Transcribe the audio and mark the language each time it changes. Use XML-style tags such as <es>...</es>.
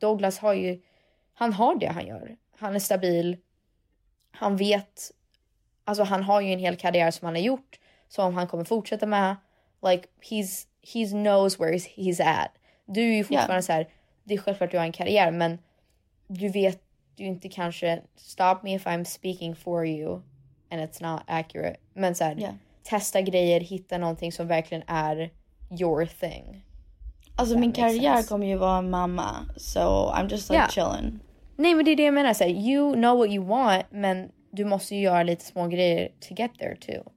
<sv>Douglas har ju, han har det han gör. Han är stabil. Han vet, alltså han har ju en hel karriär som han har gjort. Som han kommer fortsätta med.</sv> <en>Like, he's knows where he's at.</en> <sv>Du är ju fortfarande så här, det är självklart du har en karriär. Men du vet. Du inte kanske,</sv> <en>stop me if I'm speaking for you and it's not accurate.</en> <sv>Men såhär, testa grejer, hitta någonting som verkligen är</sv> <en>your thing.</en> <sv>Alltså min karriär kommer ju vara mamma,</sv> <en>so I'm just like chilling.</en> <sv>Nej, men det är det jag menar, såhär,</sv> <en>you know what you want,</en> <sv>men du måste ju göra lite små grejer</sv> <en>to get there too.</en>